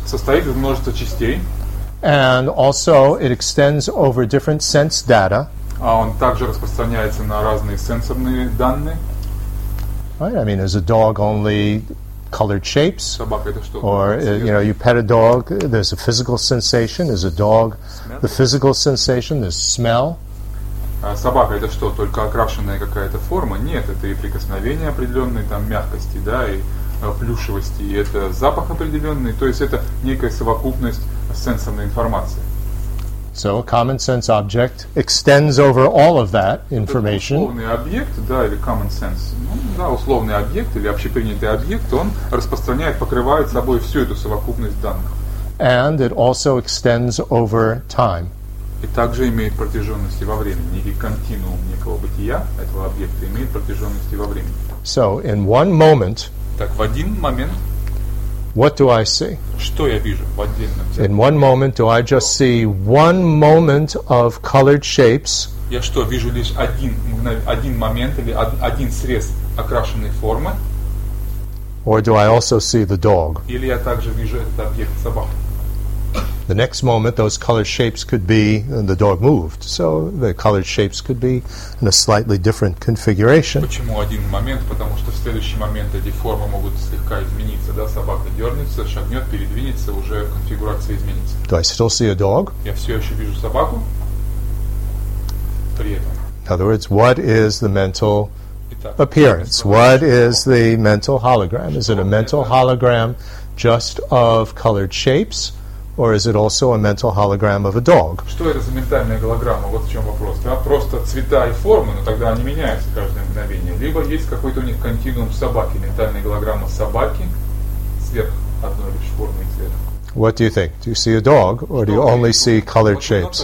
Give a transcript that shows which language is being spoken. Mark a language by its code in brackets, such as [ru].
[ru] Состоит из множества частей. [en] And also, it extends over different sense data. [ru] А он также распространяется на разные сенсорные данные. [en] Right? I mean, is a dog only colored shapes? [ru] Собака — это что? [en] Or, you know, you pet a dog, there's a physical sensation. Is a dog the physical sensation, the smell? [ru] Собака — это что, только окрашенная какая-то форма? Нет, это и прикосновение определенной там мягкости, да, и плюшевости, и это запах определенный. То есть это некая совокупность сенсорной информации. [en] So a common sense object extends over all of that information. [ru] Условный объект, да, или common sense, да, условный объект или общепринятый объект, он распространяет, покрывает собой всю эту совокупность данных. [en] And it also extends over time. [ru] И также имеет протяженности во времени. Некий континуум некого бытия этого объекта имеет протяженности во времени. [en] So in one moment. [ru] Так в один момент. [en] What do I see? [ru] Что я вижу в отдельном? [en] In one moment, do I just see one moment of colored shapes? [ru] Я что, вижу лишь один момент или один срез окрашенной формы? [en] Or do I also see the dog? [ru] Или я также вижу этот объект собаку? [en] The next moment, those colored shapes could be, and the dog moved. So the colored shapes could be in a slightly different configuration. [ru] Почему один момент? Потому что в следующий момент эти формы могут слегка измениться. Да, собака дернется, шагнет, передвинется, уже конфигурация изменится. [en] Do I still see a dog? [ru] Я все еще вижу собаку. При этом. [en] In other words, what is the mental [ru] Итак, [en] appearance? What is the mental hologram? Is it a mental hologram just of colored shapes? Or is it also a mental hologram of a dog? [ru] Что это за ментальная голограмма? Вот в чем вопрос. Да? Просто цвета и формы, но тогда они меняются каждое мгновение. Либо есть какой-то у них континуум собаки, ментальная голограмма собаки сверх одной лишь формы и цвета. [en] What do you think? Do you see a dog, or do you only see colored shapes?